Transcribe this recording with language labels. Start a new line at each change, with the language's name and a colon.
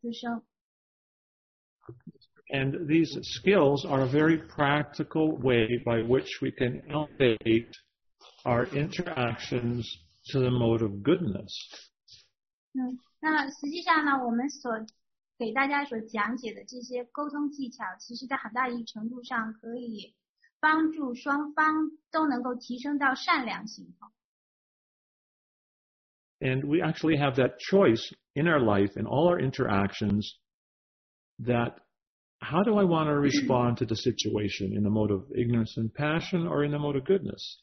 Chinese: 所以你可以深究一下这样的一种行为模式啊，你就会发现，最后其实就是，让对方都双方都感到非常的不愉快，而且它还就是大大的，促进了，激情形态或者说情欲形态和愚昧形态的滋生。
English: And these skills are a very practical way by which we can elevate our interactions to the mode of goodness.
Chinese: 那实际上呢，我们所给大家所讲解的这些沟通技巧，其实在很大一程度上可以帮助双方都能够提升到善良行动。
English: And we actually have that choice in our life, in all our interactions, that how do I want to respond to the situation, in the mode of ignorance and passion, or in the mode of goodness?